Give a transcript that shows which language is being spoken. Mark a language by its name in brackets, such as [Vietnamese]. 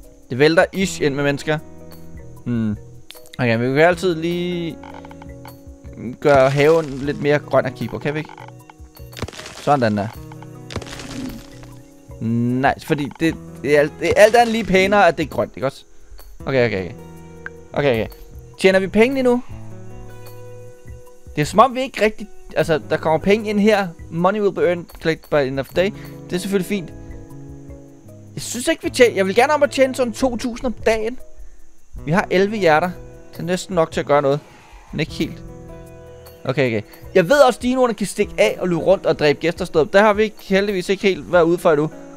[Danish] Det vælter ish ind med mennesker. Okay, vi kan altid lige gøre haven lidt mere grøn at kigge på, kan vi ikke? Sådan der. Nice, fordi det er alt andet lige pænere, at det er grønt, ikke også? Okay. Tjener vi penge lige nu? Det er som om vi ikke rigtig... Altså, der kommer penge ind her. [English] Money will be earned, collect by the end of the day. [Danish] Det er selvfølgelig fint. Jeg synes ikke, vi tjener... Jeg vil gerne om at tjene sådan 2.000 om dagen. Vi har 11 hjerter. Det er næsten nok til at gøre noget. Men ikke helt. Okay. Jeg ved også, at dinoerne kan stikke af og løbe rundt og dræbe gæster sted. Der har vi ikke, heldigvis ikke helt været ude for endnu.